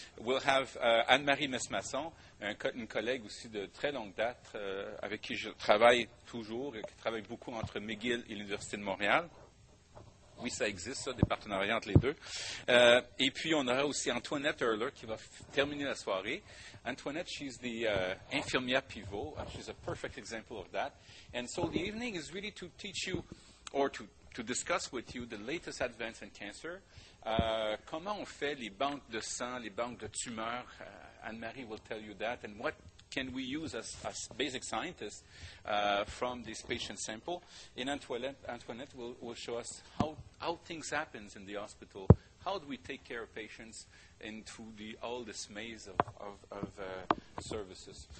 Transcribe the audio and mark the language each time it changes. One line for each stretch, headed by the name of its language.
English: We'll have
French: Anne-Marie Mesmasson, une collègue aussi de très longue date avec qui je travaille toujours et qui travaille beaucoup entre McGill et l'Université de Montréal. Oui, ça existe, ça, des partenariats entre les deux. Et puis, on aura aussi Antoinette Erler qui va terminer la soirée.
English: Antoinette, she's the infirmière pivot. She's a perfect example of that. And so the evening is really to teach you or to discuss with you the latest advance in cancer.
French: Comment on fait les banques de sang, les banques de tumeurs?
English: Anne-Marie will tell you that. And what can we use as basic scientists from this patient sample? And Antoinette will show us how things happen in the hospital. How do we take care of patients into all this maze of services?